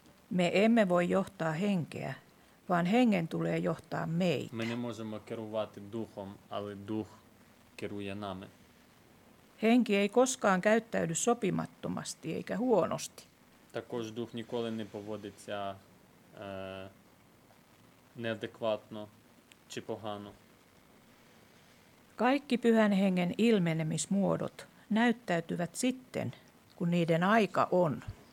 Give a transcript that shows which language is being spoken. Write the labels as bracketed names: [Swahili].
[Finnish] Me emme voi johtaa henkeä, vaan hengen tulee johtaa meitä. [Ukrainian] Ми не можемо керувати духом, але дух керує нами. [Finnish] Henki ei koskaan käyttäydy sopimattomasti eikä huonosti. [Ukrainian] Також дух ніколи не поводиться неадекватно чи погано. [Finnish] Kaikki pyhän hengen ilmenemismuodot näyttäytyvät sitten, kun niiden aika on.